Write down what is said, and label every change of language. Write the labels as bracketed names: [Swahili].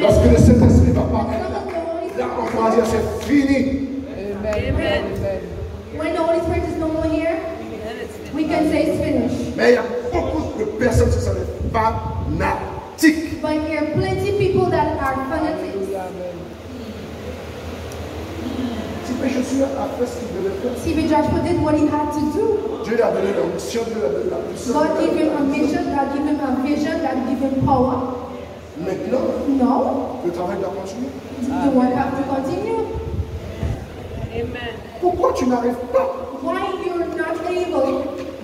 [French] Lorsque le Saint-Esprit va parler, là, on va dire, c'est fini. Amen. [English] When the Holy Spirit is no more here, we can say it's finished. [French] Mais il y a beaucoup de personnes qui sont des fanatiques. [English] But there are plenty of people that are fanatics. [French] Si [English] Ben Joshua did what he had to do. [French] Dieu lui a donné la mission, Dieu lui a donné la puissance. [English] God gave him a mission, God gave him a vision, God gave him power. [French] Maintenant, [English] no. [French] Le travail doit continuer. [English] The work has to continue. Amen. [French] Pourquoi tu n'arrives pas? [English] Why you're not able?